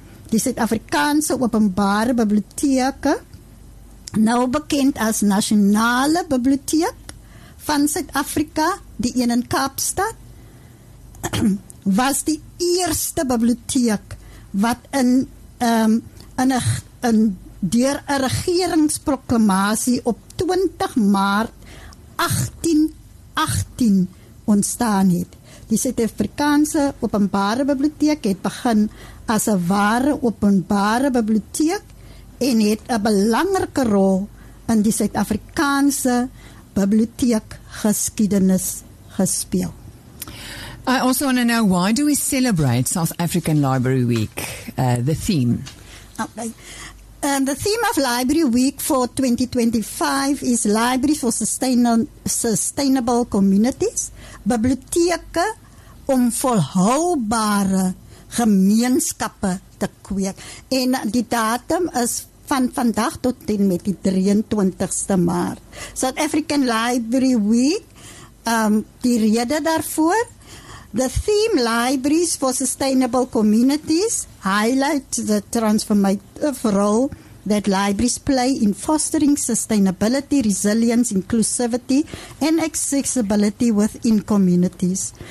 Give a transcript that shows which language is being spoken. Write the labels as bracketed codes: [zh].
[af] Die Suid-Afrikaanse Openbare Biblioteke, nou bekend as Nasionale Biblioteek van Suid-Afrika, die een in Kaapstad, was die eerste biblioteek wat in deur 'n regeringsproklamasie op 20 Maart 1818 ontstaan het. Die Suid-Afrikaanse Openbare Biblioteek het begin as 'n ware openbare biblioteek en het 'n belangrike rol in die Suid-Afrikaanse biblioteekgeskiedenis gespeel. [en] I also want to know, why do we celebrate South African Library Week, the theme? Okay. And the theme of Library Week for 2025 is Libraries for Sustainable Communities. [af] Biblioteke om volhoubare gemeenskappe te kweek. En die datum is van vandag tot en met die 23ste Maart. [en] South African Library Week, [af] die rede daarvoor, [en] the theme Libraries for Sustainable Communities highlights the transformative role that libraries play in fostering sustainability, resilience, inclusivity, and accessibility within communities.